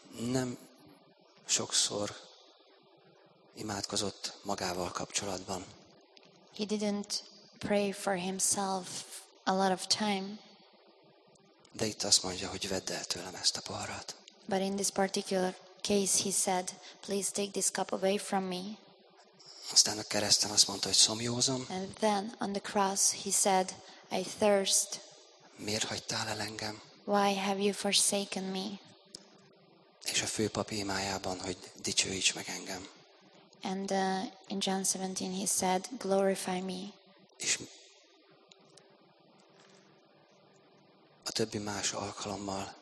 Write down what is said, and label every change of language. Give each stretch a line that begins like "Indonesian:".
Hungarian: nem sokszor imádkozott magával kapcsolatban.
English: He didn't pray for himself a lot of time.
Hungarian: De itt azt mondja, hogy vedd el tőlem ezt a poharat.
English: But in this particular case he said, please take this cup away from me.
Hungarian: Aztán a kereszten azt mondta, hogy szomjózom.
English: And then on the cross he said, I thirst.
Hungarian: Miért hagytál el engem?
English: Why have you forsaken me?
Hungarian: és a főpap imájában, hogy dicsőíts meg engem.
English: And in John 17 he said, glorify me.
Hungarian: És a többi más alkalommal.